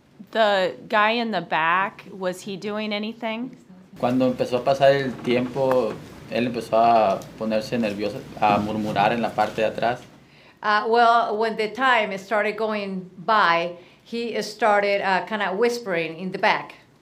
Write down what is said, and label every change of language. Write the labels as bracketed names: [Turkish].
[English] The guy in the back, was he doing anything? [Spanish] Cuando empezó a pasar el tiempo, él empezó a ponerse nervioso, a murmurar en la parte de atrás. [English] Well, when the time started going by, he started kind of whispering in the back.